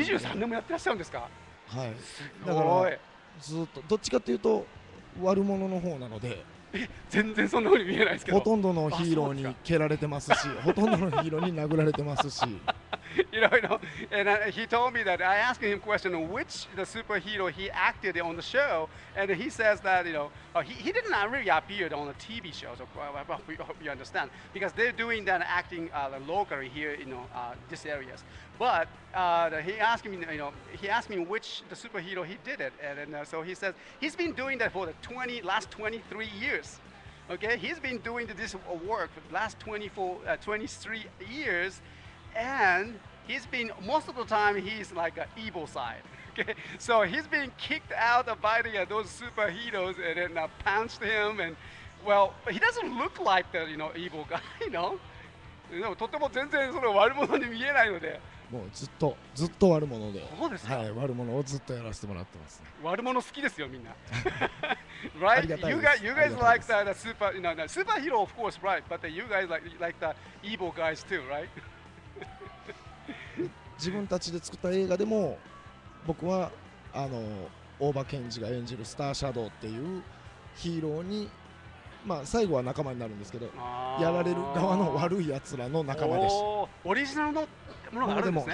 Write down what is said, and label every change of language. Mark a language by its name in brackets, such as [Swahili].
[Japanese] 23年もやってらっしゃるんですか。はい。すごい。だからずっとどっちかというと悪者の方なので。全然そんな風に見えないですけど。ほとんどのヒーローに蹴られてますし、ほとんどのヒーローに殴られてますし。いろいろ。 [English] And he told me that I asked him question of which the superhero he acted on the show, and he says that you know he did not really appear on the TV shows. You understand? Because they're doing that acting locally here, you know, this areas. But he asked me which the superhero he did it, and so he says he's been doing that for the last 23 years. Okay, he's been doing this work for the last 23 years. And he's been most of the time he's like an evil side. Okay, so he's been kicked out by those superheroes and then punched him. And well, he doesn't look like the you know evil guy. You know, [Japanese] とても全然その悪者に見えないので。もうずっとずっと悪者で。そうですか。はい、悪者をずっとやらせてもらってます、ね。悪者好きですよみんな。 [English] Right? [Japanese] ありがたいです。 [English] You guys like the super you know superhero of course right? But you guys like the evil guys too, right? [Japanese] 自分たちで作った映画でも僕は大場健二が演じるスターシャドウっていうヒーローに、まあ、最後は仲間になるんですけど、やられる側の悪い奴らの仲間でした。オリジナルのものがあるんですね、